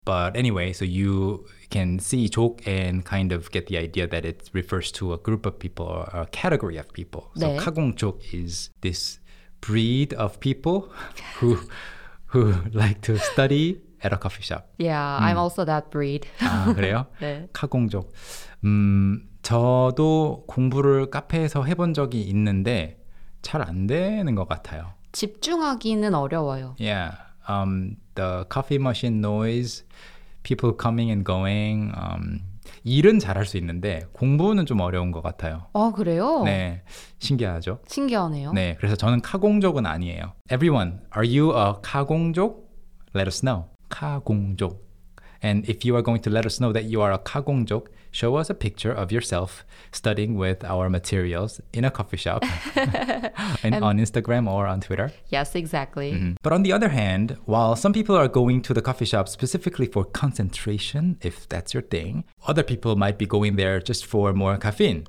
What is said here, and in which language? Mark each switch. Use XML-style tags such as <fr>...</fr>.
<en>But anyway, so you can see 족 and kind of get the idea that it refers to a group of people or a category of people. So 카공족 is this breed of people who like to study at a coffee shop. Yeah, I'm also that breed.</en> <ko>아, 그래요? 네. 카공족. 저도 공부를 카페에서 해본 적이 있는데 잘 안 되는 것 같아요. 집중하기는 어려워요.</ko> <en>Yeah, the coffee machine noise, people coming and going.</en> <ko>일은 잘할 수 있는데 공부는 좀 어려운 것 같아요. 아, 그래요? 네, 신기하죠? 신기하네요. 네, 그래서 저는 카공족은 아니에요.</ko> <en>Everyone, are you a 카공족? Let us know. 카공족. And if you are going to let us know that you are a 카공족, show us a picture of yourself studying with our materials in a coffee shop and on Instagram or on Twitter. Yes, exactly. Mm-hmm. But on the other hand, while some people are going to the coffee shop specifically for concentration, if that's your thing, other people might be going there just for more caffeine.</en>